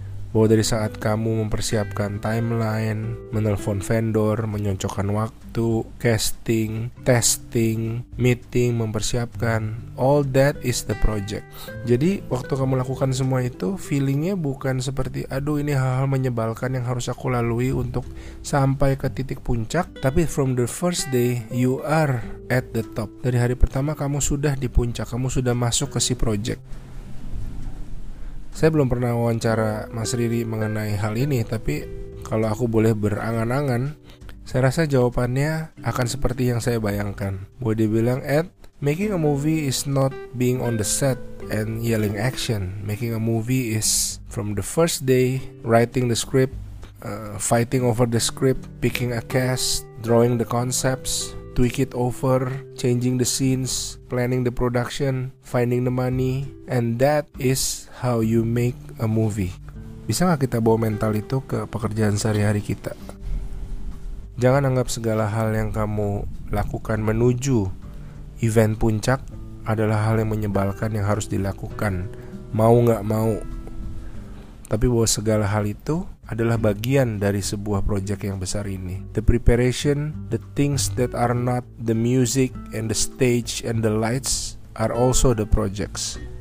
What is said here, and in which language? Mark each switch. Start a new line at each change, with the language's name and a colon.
Indonesian: Bahwa dari saat kamu mempersiapkan timeline, menelpon vendor, menyocokkan waktu, casting, testing, meeting, mempersiapkan,
English: all that is the project.
Indonesian: Jadi waktu kamu lakukan semua itu, feelingnya bukan seperti aduh ini hal-hal menyebalkan yang harus aku lalui untuk sampai ke titik puncak. Tapi
English: from the first day, you are at the top.
Indonesian: Dari hari pertama kamu sudah di puncak, kamu sudah masuk ke si project. Saya belum pernah wawancara Mas Riri mengenai hal ini, tapi kalau aku boleh berangan-angan, saya rasa jawabannya akan seperti yang saya bayangkan. Bahwa dia bilang,
English: Ed, making a movie is not being on the set and yelling action. Making a movie is from the first day, writing the script, fighting over the script, picking a cast, drawing the concepts, tweak it over, changing the scenes, planning the production, finding the money, and that is how you make a movie.
Indonesian: Bisa gak kita bawa mental itu ke pekerjaan sehari-hari kita? Jangan anggap segala hal yang kamu lakukan menuju event puncak adalah hal yang menyebalkan yang harus dilakukan, mau gak mau. Tapi bahwa segala hal itu adalah bagian dari sebuah project yang besar ini.
English: The preparation, the things that are not, the music and the stage and the lights are also the projects.